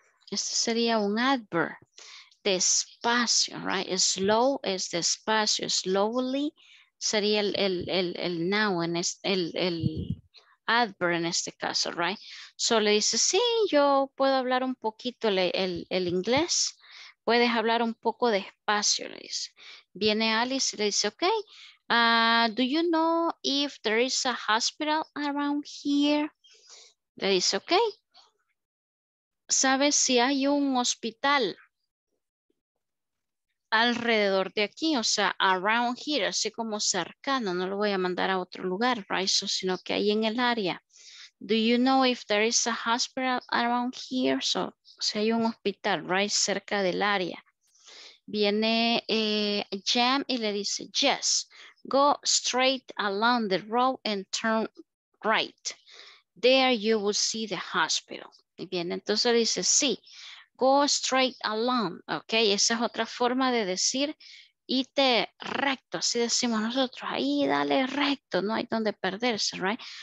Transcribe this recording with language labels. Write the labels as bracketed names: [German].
[Spanish] Este sería un adverb, despacio, [English] right, slow [Spanish] es despacio, [English] slowly, [Spanish] sería el now, en este, el adverb en este caso, right? So le dice, sí, yo puedo hablar un poquito el inglés. Puedes hablar un poco despacio, le dice. Viene Alice y le dice, [English] ok, do you know if there is a hospital around here? [Spanish] Le dice, ok, ¿sabes si hay un hospital alrededor de aquí, o sea, [English] around here, [Spanish] así como cercano, no lo voy a mandar a otro lugar, right? So, sino que ahí en el área. [English] Do you know if there is a hospital around here? So, [Spanish] si hay un hospital, [English] right, [Spanish] cerca del área. Viene Jam y le dice, [English] yes, go straight along the road and turn right. There you will see the hospital. [Spanish] Y viene, entonces le dice, sí. [English] Go straight along, [Spanish] ok, esa es otra forma de decir irte recto, así decimos nosotros, ahí dale recto, no hay donde perderse, right?